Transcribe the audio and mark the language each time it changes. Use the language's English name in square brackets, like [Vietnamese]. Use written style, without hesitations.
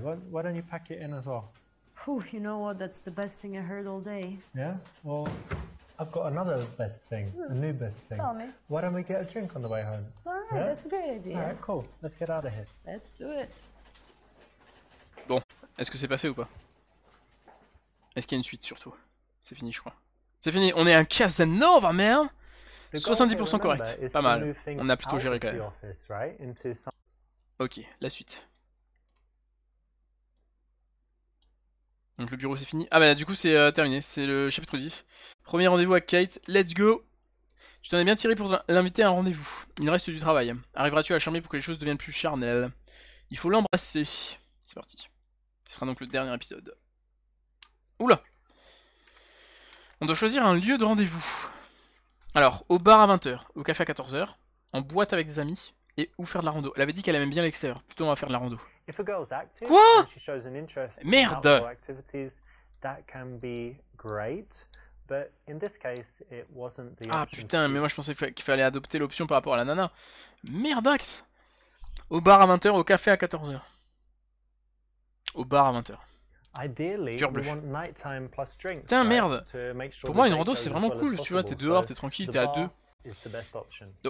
[English] Why don't you pack it in as well? Whew, you know what? That's the best thing I heard all day. Yeah? Well, I've got another best thing. A new best thing. Tell me. Why don't we get a drink on the way home? Alright, yeah? That's a great idea. Alright, cool. Let's get out of here. Let's do it. [French] Bon, est-ce que c'est passé ou pas? Est-ce qu'il y a une suite surtout? C'est fini, je crois. C'est fini, on est un Casanova, merde! 70% correct. Pas mal. On a plutôt géré quand même. Ok, la suite. Donc le bureau c'est fini. Ah bah du coup c'est terminé, c'est le chapitre 10. Premier rendez-vous avec Kate, [English] let's go! [French] Tu t'en es bien tiré pour l'inviter à un rendez-vous. Il reste du travail. Arriveras-tu à la charmer pour que les choses deviennent plus charnelles? Il faut l'embrasser. C'est parti. Ce sera donc le dernier épisode. Oula! On doit choisir un lieu de rendez-vous. Alors, au bar à 20h, au café à 14h, en boîte avec des amis, et ou faire de la rando. Elle avait dit qu'elle aimait bien l'extérieur, plutôt on va faire de la rando. [English] If a girl's active, [French] quoi? [English] She shows an interest. [French] Merde. [English] That can be great, but in this case, it wasn't the [French] ah putain, mais moi je pensais qu'il fallait adopter l'option par rapport à la nana. Merde. Au bar à 20h, au café à 14h. Au bar à 20h. Ideally, we want nighttime plus drinks. Putain, merde. Pour moi, une rando, c'est vraiment cool. Tu vois, t'es dehors, t'es tranquille, t'es à deux.